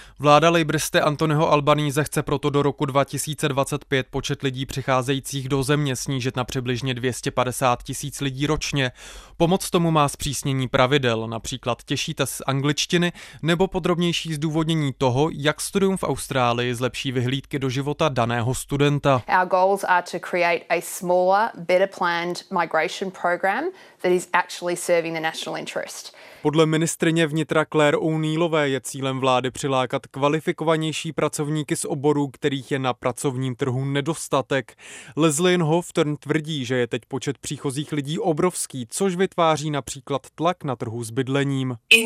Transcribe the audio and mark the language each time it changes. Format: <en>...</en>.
<cs>Vláda Labouriste Anthonyho Albanese chce proto do roku 2025 počet lidí přicházejících do země snížit na přibližně 250 tisíc lidí ročně. Pomoc tomu má zpřísnění pravidel, například těžší test z angličtiny nebo podrobnější zdůvodnění toho, jak studium v Austrálii zlepší vyhlídky do života daného studenta.</cs> <en>Our goals are to create a smaller, better planned migration program that is actually serving the national interest.</en> <cs>Podle ministryně vnitra Claire O'Neillové je cílem vlády přilákat kvalifikovanější pracovníky z oborů, kterých je na pracovním trhu nedostatek. Leslie Hofstra tvrdí, že je teď počet příchozích lidí obrovský, což vytváří například tlak na trhu s bydlením.</cs>